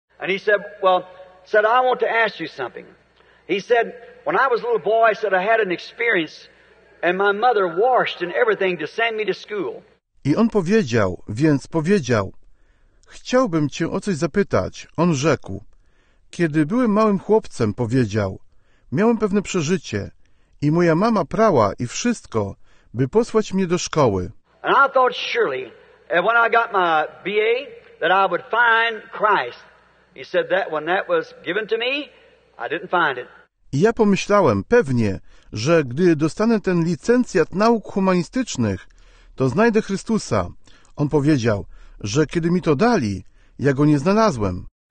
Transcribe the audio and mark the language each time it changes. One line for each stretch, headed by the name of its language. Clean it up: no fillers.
English: And he said, well, said, I want to ask you something. He said, when I was a little boy, I said, I had an experience, and my mother washed and everything to send me to school.
Polish: I on powiedział, więc powiedział, chciałbym cię o coś zapytać. On rzekł, kiedy byłem małym chłopcem, powiedział, miałem pewne przeżycie i moja mama prała i wszystko, by posłać mnie do szkoły.
English: And I thought surely, and when I got my BA, that I would find Christ. He said that when that was given to me, I didn't find it.
Polish: I ja pomyślałem, pewnie, że gdy dostanę ten licencjat nauk humanistycznych, to znajdę Chrystusa. On powiedział, że kiedy mi to dali, ja go nie znalazłem.